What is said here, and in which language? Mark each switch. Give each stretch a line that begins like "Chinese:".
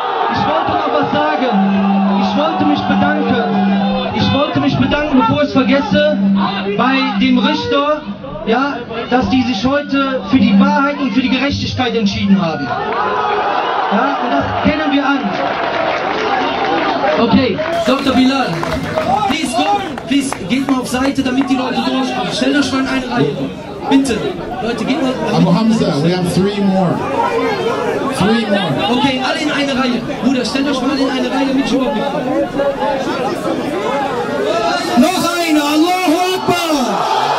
German: Ich wollte noch was sagen, ich wollte mich bedanken, bevor ich es vergesse, bei dem Richter, ja, dass die sich heute für die Wahrheit und für die Gerechtigkeit entschieden haben. Ja, und das kennen wir an. Okay, Dr. Bilal, please, geht mal auf Seite, damit die Leute durchkommen. Stellt euch mal in eine Reihe. Bitte, Leute, geht mal.
English: Abu Hamza, we have three more. Three more.
German: Okay, alle in eine Reihe. Bruder, stellt euch mal in eine Reihe mit Joab. Noch einer,
Arabic: Allahu Akbar!